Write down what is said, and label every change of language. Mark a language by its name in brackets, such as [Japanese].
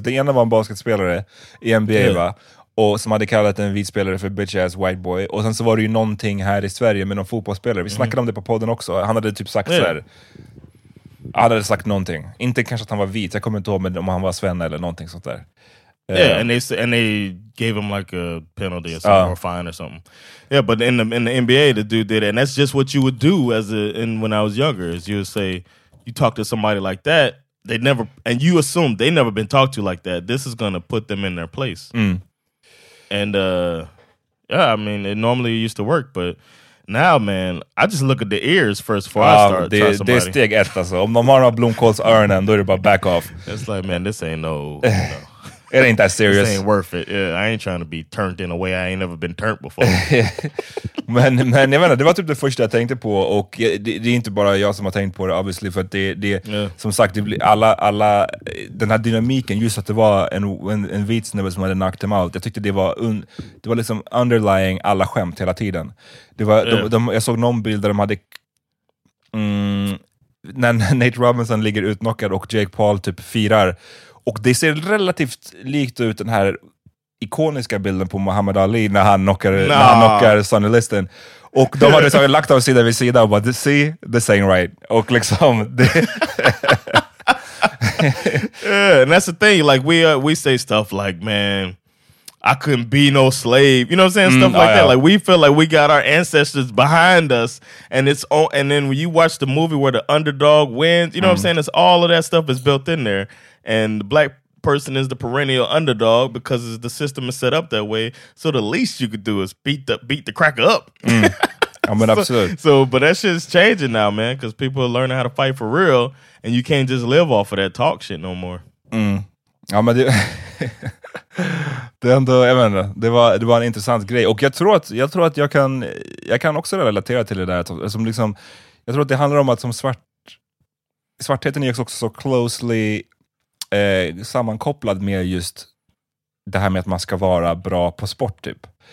[Swedish] Det ena var en basketspelare i NBA, va? Och som hade kallat en vit spelare för [English] bitch ass white boy. [Swedish] Och sen så var det ju någonting här i Sverige med någon fotbollsspelare. Vi snackade om det på podden också. Han hade typ sagt så här. Han hade sagt någonting. Inte kanske att han var vit. Jag kommer inte ihåg om han var svenne eller någonting sånt där. [English] And they gave him like a penalty or something or fine or something. Yeah, but in the NBA, the dude did it, and that's just what you would do when I was younger. Is you would say, you talk to somebody like that, they never, and you assume they never been talked to like that. This is gonna put them in their place. Mm. And I mean, it normally used to work, but now, man, I just look at the ears first before I start trying somebody. [Swedish] Det är steg ett, alltså. Om man har blomkålsöronen, då är det bara [English] back off. It's like, man, this ain't no. It ain't that serious. This ain't worth it. Yeah, I ain't trying to be turned in a way I ain't never been turned before. [Swedish] men jag menar, det var typ det första jag tänkte på. Och det är inte bara jag som har tänkt på det, [English] obviously. [Swedish] För att som sagt, det blir alla den här dynamiken, just att det var en vit snubbe som hade [English] knocked him out. [Swedish] Jag tyckte det var liksom [English] underlying [Swedish] alla skämt hela tiden. Det var, jag såg någon bild där de hade... när Nate Robinson ligger utknockad och Jake Paul typ firar. Och det ser relativt likt ut den här ikoniska bilden på Muhammad Ali när han knockar Sonny Liston. Och de hade liksom lagt dem sida vid sida och bara, [English] see, the same right. [Swedish] Och liksom... [English] Yeah, and that's the thing, like we say stuff like, man, I couldn't be no slave. You know what I'm saying? Stuff like that. Like we feel like we got our ancestors behind us, and it's all, and then when you watch the movie where the underdog wins, you know what I'm saying? It's all of that stuff is built in there. And the black person is the perennial underdog because the system is set up that way. So the least you could do is beat the cracker up. I mean, absolutely. So, but that shit's changing now, man, because people are learning how to fight for real, and you can't just live off of that talk shit no more. Mm. I'm gonna do. [Swedish] Det är ändå, jag menar, det var en intressant grej. Och jag tror att jag kan också relatera till det där. Som liksom, jag tror att det handlar om att som svartheten är också så [English] closely [Swedish] sammankopplad med just det här med att man ska vara bra på sport, typ.